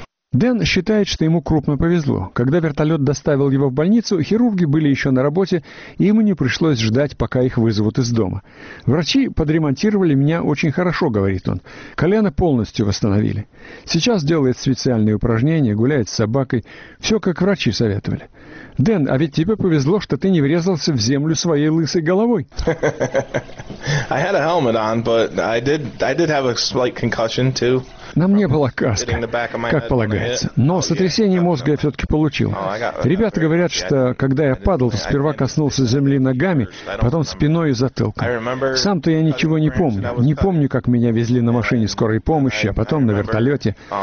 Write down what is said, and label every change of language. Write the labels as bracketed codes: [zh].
[ru] Дэн считает, что ему крупно повезло. Когда вертолет доставил его в больницу, хирурги были еще на работе, и ему не пришлось ждать, пока их вызовут из дома. «Врачи подремонтировали меня очень хорошо», — говорит он. «Колено полностью восстановили. Сейчас делает специальные упражнения, гуляет с собакой. Все, как врачи советовали». «Дэн, а ведь тебе повезло, что ты не врезался в землю своей лысой головой». [en] I had a helmet on, but I did have a slight concussion too. [ru] Нам не было каски, как полагается. Но сотрясение мозга я все-таки получил. Ребята говорят, что когда я падал, то сперва коснулся земли ногами, потом спиной и затылком. Сам-то я ничего не помню. Не помню, как меня везли на машине скорой помощи, а потом на вертолете.